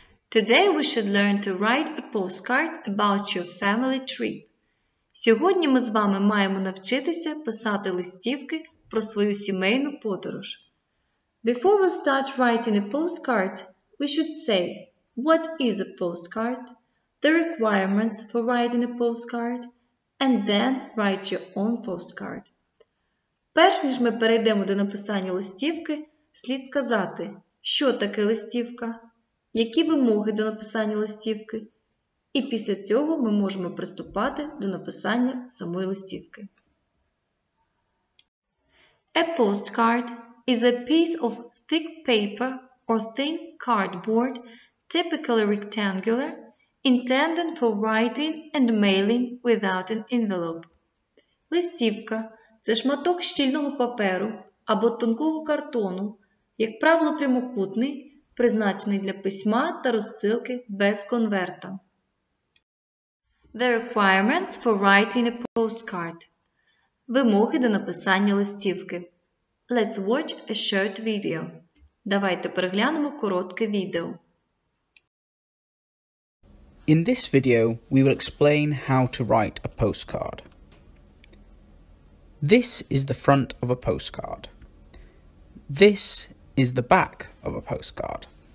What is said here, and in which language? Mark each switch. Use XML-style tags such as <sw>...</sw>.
<en>Today we should learn to write a postcard about your family trip.</en> <uk>Сьогодні ми з вами маємо навчитися писати листівки про свою сімейну подорож.</uk> <en>Before we start writing a postcard, we should say what is a postcard, the requirements for writing a postcard, and then write your own postcard.</en> <uk>Перш ніж ми перейдемо до написання листівки, слід сказати, що таке листівка, які вимоги до написання листівки, і після цього ми можемо приступати до написання самої листівки.</uk> <en>A postcard is a piece of thick paper or thin cardboard, typically rectangular, intended for writing and mailing without an envelope.</en> <uk>Листівка – це шматок щільного паперу або тонкого картону, як правило прямокутний, призначений для письма та розсилки без конверта.</uk> <en>The requirements for writing a postcard.</en> <uk>Вимоги до написання листівки.</uk> <en>Let's watch a short video.</en> <uk>Давайте переглянемо коротке відео.</uk> <en>In this video, we will explain how to write a postcard. This is the front of a postcard. This is the back of a postcard.</en>